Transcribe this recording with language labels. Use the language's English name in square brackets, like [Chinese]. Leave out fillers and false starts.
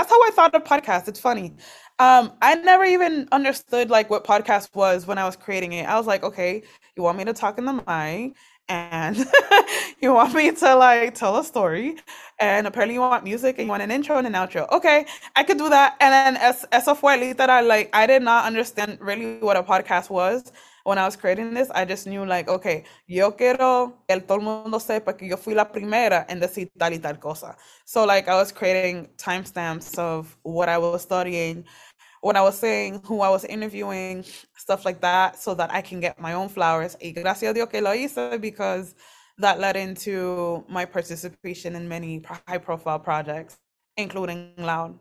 [English] That's how I thought of podcasts. It's funny. I never even understood like what podcast was when I was creating it. I was like, okay, you want me to talk in the mic, and you want me to like tell a story, and apparently you want music and you want an intro and an outro. Okay, I could do that. And then [Spanish] eso fue literal, [English] like I did not understand really what a podcast was when I was creating this. I just knew like, okay, [Spanish] yo quiero que todo el mundo sepa que yo fui la primera en decir tal y tal cosa. [English] So like I was creating timestamps of what I was studying, what I was saying, who I was interviewing, stuff like that, so that I can get my own flowers. [Spanish] Y gracias a Dios que lo hice, [English] because that led into my participation in many high profile projects, including Loud.